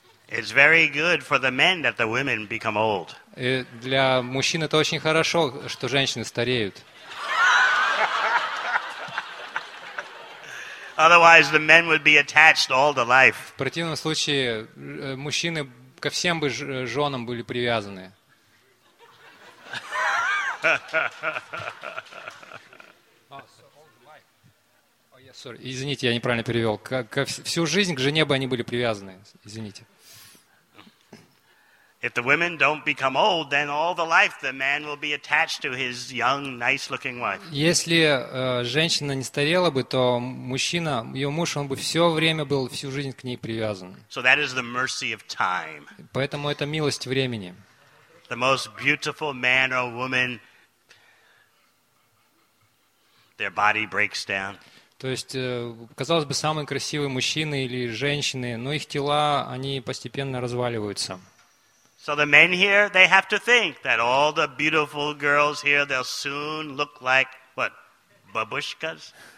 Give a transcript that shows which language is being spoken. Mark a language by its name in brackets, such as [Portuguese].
[English] It's very good for the men that the women become old. [Russian] Для мужчин это очень хорошо, что женщины стареют. [English] Otherwise, the men would be attached all the life. [Russian] В противном случае мужчины ко всем бы женам были привязаны. Извините, я неправильно перевел. Всю жизнь к жене бы они были привязаны. Извините. [English] If the women don't become old, then all the life the man will be attached to his young, nice-looking wife. [Russian] Если женщина не старела бы, то мужчина, ее муж, он бы все время был, всю жизнь к ней привязан. [English] So that is the mercy of time. [Russian] Поэтому это милость времени. [English] The most beautiful man or woman, their body breaks down. [Russian] То есть, казалось бы, самые красивые мужчины или женщины, но их тела, они постепенно разваливаются. [English] So the men here, they have to think that all the beautiful girls here, they'll soon look like, what, бабушкас?